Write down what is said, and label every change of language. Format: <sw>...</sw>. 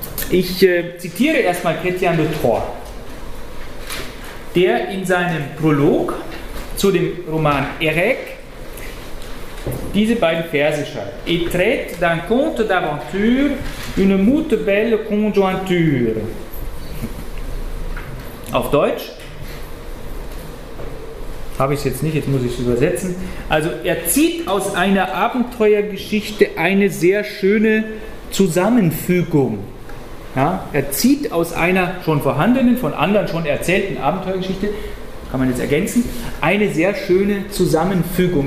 <de>Ich zitiere erstmal Chrétien de Troyes, der in seinem Prolog zu dem Roman Erec diese beiden Verse schreibt.</de> <fro>Et traite d'un conte d'aventure une moute belle conjointure.</fro> <de>Auf Deutsch habe ich es jetzt nicht, jetzt muss ich es übersetzen. Also er zieht aus einer Abenteuergeschichte eine sehr schöne Zusammenfügung. Ja, er zieht aus einer schon vorhandenen, von anderen schon erzählten Abenteuergeschichte, kann man jetzt ergänzen, eine sehr schöne Zusammenfügung.</de>